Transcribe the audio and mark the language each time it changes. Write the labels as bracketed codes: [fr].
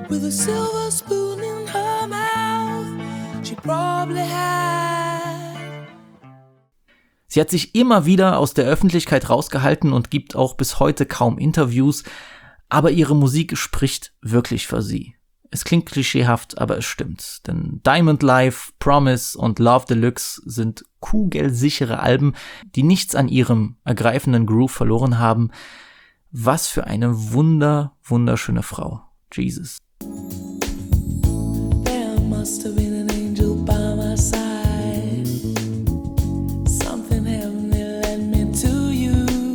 [en] Silver spoon in her mouth, she probably had. [de] Sie hat sich immer wieder aus der Öffentlichkeit rausgehalten und gibt auch bis heute kaum Interviews, aber ihre Musik spricht wirklich für sie. Es klingt klischeehaft, aber es stimmt, denn Diamond Life, Promise und Love Deluxe sind kugelsichere Alben, die nichts an ihrem ergreifenden Groove verloren haben. Was für eine wunderschöne Frau. Jesus. [en] There must have been an angel by my side. Something heavenly led me to you.